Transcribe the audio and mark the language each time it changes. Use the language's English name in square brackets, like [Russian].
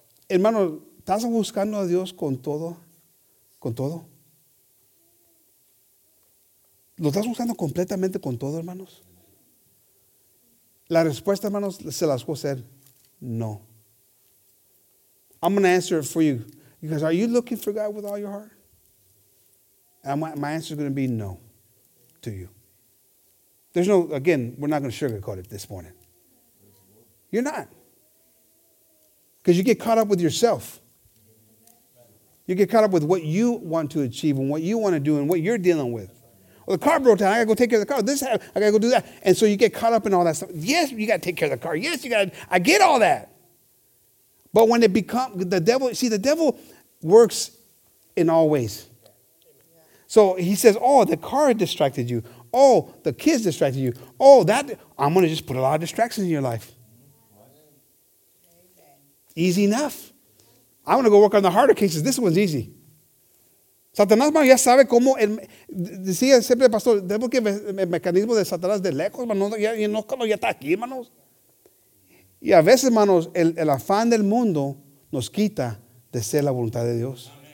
[Spanish] Hermano, ¿estás buscando a Dios con todo? ¿Con todo? ¿Lo estás usando completamente con todo, hermanos? La respuesta, hermanos, se las voy a hacer. [English] No. I'm going to answer it for you. Because are you looking for God with all your heart? My answer is going to be no to you. There's no, again, we're not going to sugarcoat it this morning. You're not. Because you get caught up with yourself. You get caught up with what you want to achieve and what you want to do and what you're dealing with. Well, the car broke down. I got to go take care of the car. This happened. I got to go do that. And so you get caught up in all that stuff. Yes, you got to take care of the car. Yes, you got to. I get all that. But when it becomes the devil, see, the devil works in all ways. So he says, oh, the car distracted you. Oh, the kids distracted you. Oh, that, I'm going to just put a lot of distractions in your life. Easy enough. I'm going to go work on the harder cases. This one's easy. [Spanish] Satanás ya sabe cómo, decía siempre el pastor, tenemos que el mecanismo de Satanás de lejos, hermanos, ya está aquí, hermanos. Y a veces, hermanos, el afán del mundo nos quita de ser la voluntad de Dios.